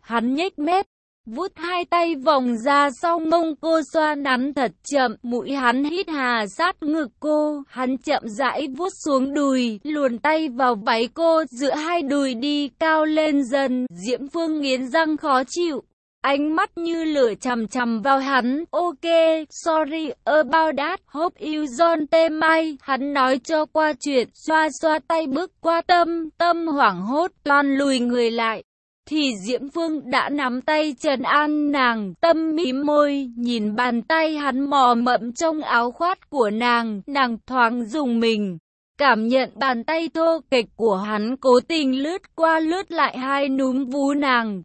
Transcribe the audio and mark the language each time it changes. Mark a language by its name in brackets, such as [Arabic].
[Vietnamese] Hắn nhếch mép, vuốt hai tay vòng ra sau mông cô xoa nắn thật chậm, mũi hắn hít hà sát ngực cô. Hắn chậm rãi vuốt xuống đùi, luồn tay vào váy cô giữa hai đùi đi cao lên dần. Diễm Phương nghiến răng khó chịu. ánh mắt như lửa chằm chằm vào hắn. [English] Ok, sorry about that, hope you don't mind. [Vietnamese] Hắn nói cho qua chuyện, xoa xoa tay bước qua Tâm. Tâm hoảng hốt, toan lùi người lại. Thì Diễm Phương đã nắm tay trấn an nàng. Tâm mím môi, nhìn bàn tay hắn mò mẫm trong áo khoác của nàng. Nàng thoáng rùng mình, cảm nhận bàn tay thô kệch của hắn cố tình lướt qua lướt lại hai núm vú nàng.